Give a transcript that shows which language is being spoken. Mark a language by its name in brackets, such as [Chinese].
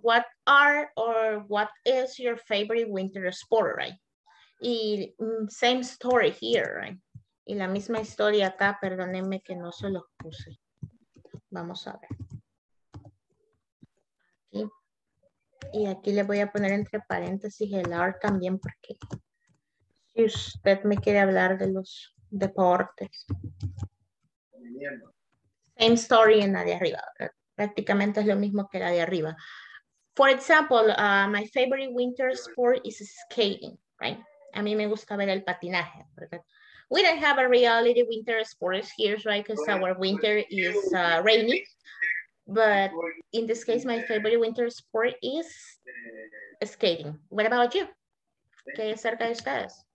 [English] What are or what is your favorite winter sport, right? Y same story here, right? [Spanish] Y la misma historia acá, perdónenme que no se los puse. Vamos a ver. Aquí. Y aquí le voy a poner entre paréntesis el R también, porque si usted me quiere hablar de los deportes. [English] Same story [Spanish] en la de arriba. Prácticamente es lo mismo que la de arriba. [English] For example, my favorite winter sport is skating, right? [Spanish] A mí me gusta ver el patinaje, ¿verdad? [English] We don't have a reality winter sports here, right? Because our winter is rainy. But in this case, my favorite winter sport is skating. What about you? [Spanish] ¿Qué es cerca de ustedes?